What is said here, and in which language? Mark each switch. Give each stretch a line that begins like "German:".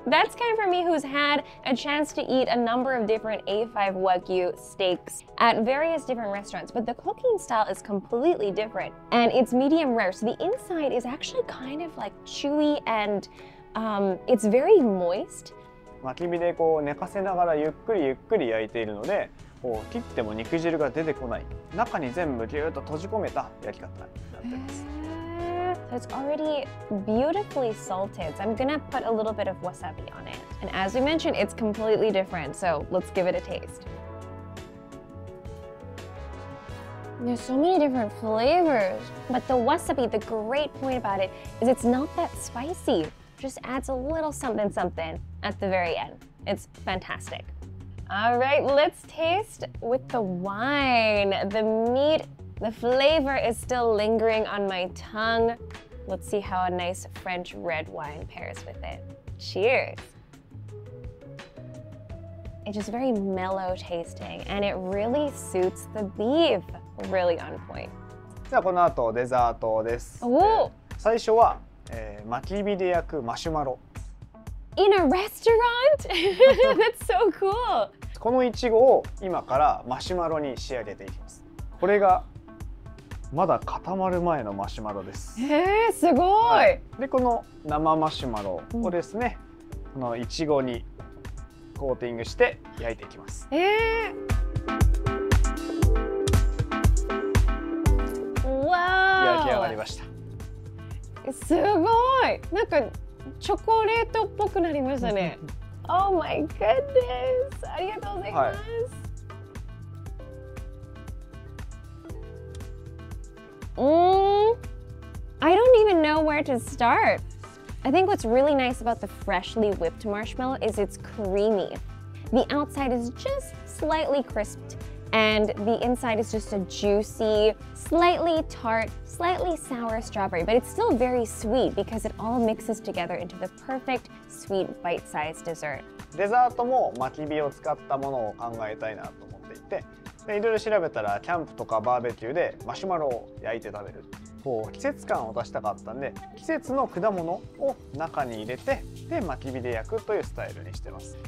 English: That's kind for me who's had a chance to eat a number of different A5 Wagyu steaks at various different restaurants, but the cooking style is completely different and it's medium rare. So the inside is actually kind of like chewy and it's very moist.
Japanese: 薪火でこう寝かせながらゆっくりゆっくり焼いているので、こう切っても肉汁が出てこない、中に全部ぎゅっと閉じ込めた焼き方になってます。
English: So it's already beautifully salted. So I'm gonna put a little bit of wasabi on it. And as we mentioned, it's completely different. So let's give it a taste. There's so many different flavors. But the wasabi, the great point about it is it's not that spicy. It just adds a little something something at the very end. It's fantastic. All right, let's taste with the wine. The meat. The flavor is still lingering on my tongue. Let's see how a nice French red wine pairs with it. Cheers! It's just very mellow tasting and it really suits the beef. Really on point.
Japanese: じゃあこの後デザートです。おお。最初は、薪火で焼くマシュマロ。
English: In a restaurant? That's so cool!
Japanese: このイチゴを今からマシュマロに仕上げていきます。これがまだ固まる前のマシュマロです。すごい、はい、でこの生マシュマロをですね、このイチゴにコーティングして焼いていきます。わー、焼き上がりました。すごい、なんかチョコレートっぽくなりましたね。
English: Oh my goodness!
Japanese: ありがとうございます、はい。
English: I don't even know where to start. I think what's really nice about the freshly whipped marshmallow is it's creamy. The outside is just slightly crisped and the inside is just a juicy, slightly tart, slightly sour strawberry, but it's still very sweet because it all mixes together into the perfect sweet bite-sized dessert.
Japanese: デザートも薪火を使ったものを考えたいなと思っていて、いろいろ調べたらキャンプとかバーベキューでマシュマロを焼いて食べる、こう季節感を出したかったんで、季節の果物を中に入れてで薪火で焼くというスタイルにしてます。